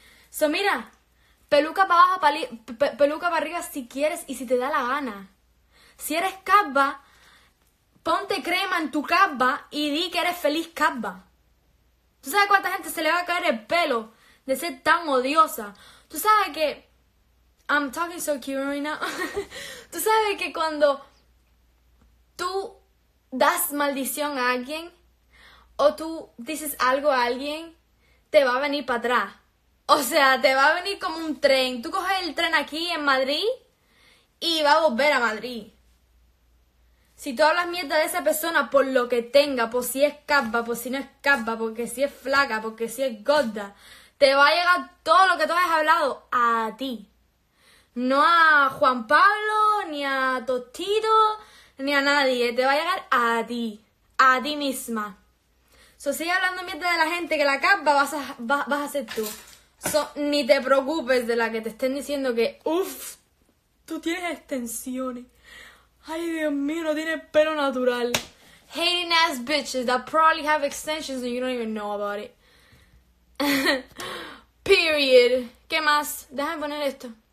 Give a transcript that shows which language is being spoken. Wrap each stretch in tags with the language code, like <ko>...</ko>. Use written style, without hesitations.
<es>So mira, peluca para abajo, peluca para arriba si quieres y si te da la gana. Si eres calva, ponte crema en tu calva y di que eres feliz calva. ¿Tú sabes cuánta gente se le va a caer el pelo de ser tan odiosa?</es> <en>Tú sabes que, I'm talking so cute right now.</en> <es>Tú sabes que cuando tú das maldición a alguien, o tú dices algo a alguien, te va a venir para atrás. O sea, te va a venir como un tren. Tú coges el tren aquí en Madrid y va a volver a Madrid. Si tú hablas mierda de esa persona por lo que tenga, por si es capa, por si no es capa, porque si es flaca, porque si es gorda, te va a llegar todo lo que tú has hablado a ti. No a Juan Pablo, ni a Tostito, ni a nadie. Te va a llegar a ti misma. So, sigue hablando mierda de la gente que la capa vas a ser tú. So, ni te preocupes de la que te estén diciendo que, uff, tú tienes extensiones. Ay, Dios mío, no tienes pelo natural.</es> <en>Hating ass bitches that probably have extensions and you don't even know about it.</en> <es>Period. ¿Qué más? Déjame poner esto.</es>